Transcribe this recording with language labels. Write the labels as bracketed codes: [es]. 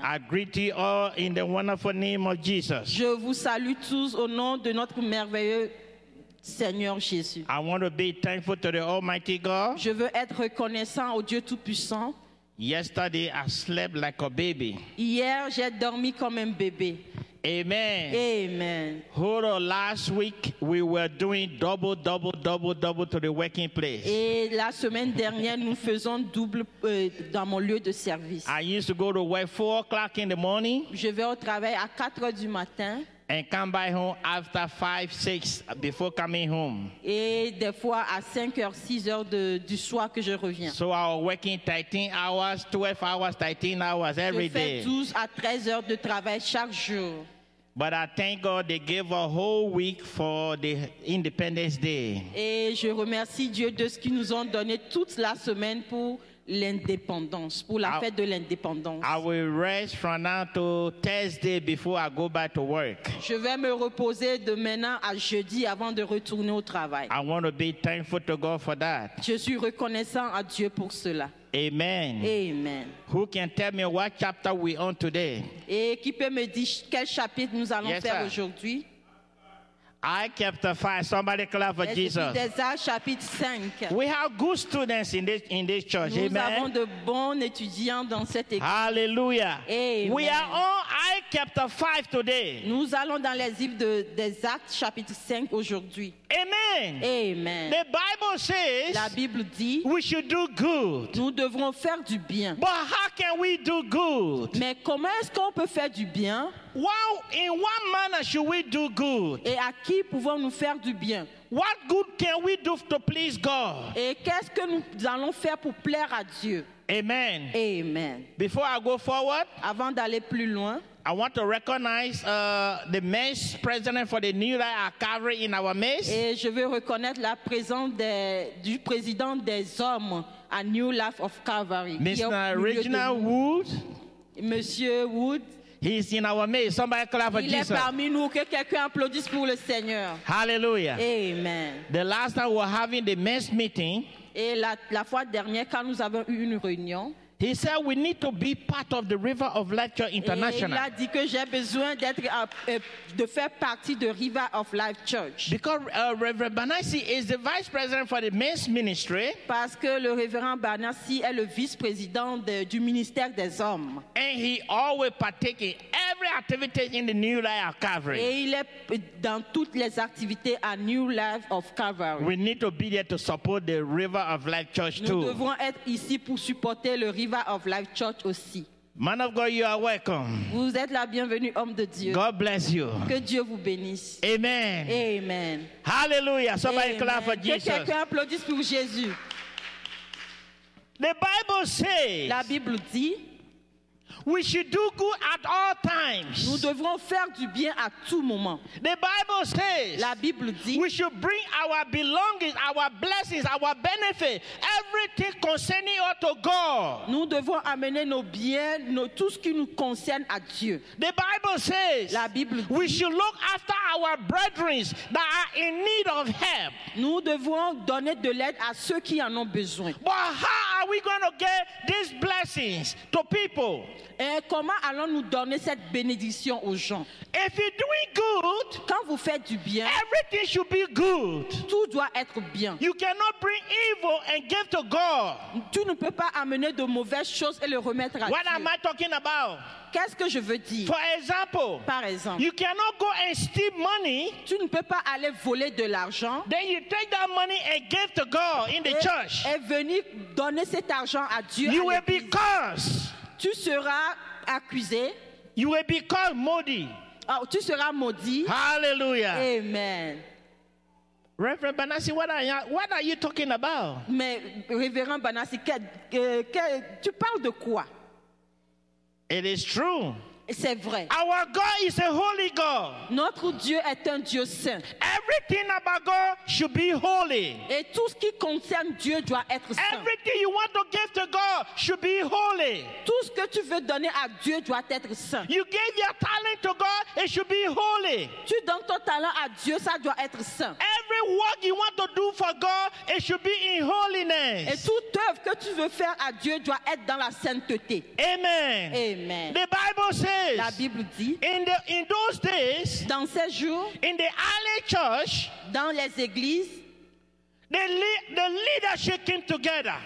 [en] I greet you all in the wonderful name of Jesus. [fr] Je vous salue tous au nom de notre merveilleux Seigneur Jésus. [en] I want to be thankful to the Almighty God. [fr] Je veux être reconnaissant au Dieu Tout-Puissant. [en] Yesterday I slept like a baby. [fr] Hier, j'ai dormi comme un bébé. Amen. Amen. [en] Hold on, last week we were doing double, double, double, double to the working place. [fr] Et la semaine dernière, nous faisons double dans mon lieu de service. [en] I used to go to work 4 o'clock in the morning. [fr] Je vais au travail à 4 heures du matin. [en] And come by home after 5-6 before coming home. [fr] Et des fois à 5h, 6h du soir que je reviens. [en] So I was working 13 hours, 12 hours, 13 hours every day. [fr] Je fais 12 à 13 heures de travail chaque jour. [en] But I thank God they gave a whole week for the Independence Day. [fr] Et je remercie Dieu de ce qu'ils nous ont donné toute la semaine pour l'indépendance, pour la fête de l'indépendance. [en] I will rest from now to Thursday before I go back to work. [fr] Je vais me reposer de maintenant à jeudi avant de retourner au travail. [en] I want to be thankful to God for that. [fr] Je suis reconnaissant à Dieu pour cela. Amen. Amen. [en] Who can tell me what chapter we on today? [fr] Et qui peut me dire quel chapitre nous allons faire aujourd'hui? [en] I kept the fire. Somebody clap for Jesus. [fr] Chapitre 5. [en] We have good students in this church. [fr] Nous Amen. Nous avons de bons étudiants dans cette église. Hallelujah. Amen. [en] We are on I kept the 5 today. [fr] Nous allons dans les livres des Actes chapitre 5 aujourd'hui. Amen. Amen. [en] The Bible says. [fr] La Bible dit. [en] We should do good. [fr] Nous devrons faire du bien. [en] But how can we do good? [fr] Mais comment est-ce qu'on peut faire du bien? [en] Wow, in what manner should we do good? [fr] Et à qui pouvons-nous faire du bien? [en] What good can we do to please God? [fr] Et qu'est-ce que nous allons faire pour plaire à Dieu? Amen. Amen. [en] Before I go forward, [fr] avant d'aller plus loin, [en] I want to recognize the men's president for the new life at Calvary in our midst. [fr] Et je veux reconnaître la présence du président des hommes à New Life of Calvary. [en] Mr. Reginald Wood. [fr] Monsieur Wood. [en] He's in our midst. Somebody clap for Jesus. [fr] Il est parmi nous. Que quelqu'un applaudisse pour le Seigneur. Hallelujah. Amen. [en] The last time we're having the men's meeting. [fr] Et la fois dernière quand nous avons eu une réunion. [en] He said we need to be part of the River of Life Church International. [fr] Et il a dit que j'ai besoin de faire partie de River of Life Church. [en] Because Reverend Banasi is the vice president for the men's ministry. [fr] Parce que le Reverend Banasi est le vice-président du ministère des hommes. [en] And he always partake in every activity in the New Life of Calvary. [fr] Et il est dans toutes les activités à New Life of Calvary. [en] We need to be there to support the River of Life Church too. [fr] Nous devons être ici pour supporter le River of Life Church aussi. [en] Man of God, you are welcome. [fr] Vous êtes la bienvenue, homme de Dieu. [en] God bless you. [fr] Que Dieu vous bénisse. Amen. Amen. [en] Hallelujah. Somebody Amen. Clap for Jesus. [fr] Que quelqu'un applaudisse pour Jésus. [en] The Bible says. [fr] La Bible dit. [en] We should do good at all times. [fr] Nous devrons faire du bien à tout moment. [en] The Bible says. [fr] La Bible dit. [en] We should bring our belongings, our blessings, our benefits, everything concerning us to God. [fr] Nous devons amener nos biens, tout ce qui nous concerne à Dieu. [en] The Bible says. [fr] La Bible dit. [en] We should look after our brethren that are in need of help. [fr] Nous devons donner de l'aide à ceux qui en ont besoin. [en] But how are we going to get these blessings to people? [fr] Et comment allons-nous donner cette bénédiction aux gens? [en] If you're doing good, [fr] quand vous faites du bien, [en] everything should be good. [fr] Tout doit être bien. [en] You cannot bring evil and give to God. [fr] Tu ne peux pas amener de mauvaises choses et le remettre à [en] What [fr] Dieu. [en] What am I talking about? [fr] Qu'est-ce que je veux dire? [en] For example, [fr] par exemple, [en] you cannot go and steal money. [fr] Tu ne peux pas aller voler de l'argent. [en] Then you take that money and give to God in the church. [fr] Et venir donner cet argent à Dieu. [en] You will be cursed. [fr] Tu seras accusé. [en] You will be called Modi. [fr] Oh, tu seras maudit. Hallelujah. Amen. [en] Reverend Banasi, what are you talking about? [fr] Mais Reverend Banasi, tu parles de quoi? [en] It is true. [fr] C'est vrai. [en] Our God is a holy God. [fr] Notre Dieu est un Dieu saint. [en] Everything about God should be holy. [fr] Et tout ce qui concerne Dieu doit être saint. [en] Everything you want to give to God should be holy. [fr] Tout ce que tu veux donner à Dieu doit être saint. [en] You gave your talent to God, it should be holy. [fr] Tu donnes ton talent à Dieu, ça doit être saint. [en] Every work you want to do for God, it should be in holiness. [fr] Et toute œuvre que tu veux faire à Dieu doit être dans la sainteté. Amen. Amen. [en] The Bible says. [fr] La Bible dit, [en] in those days, [fr] dans ces jours, [en] in the early church, [fr] dans les églises, [en] The leadership came together.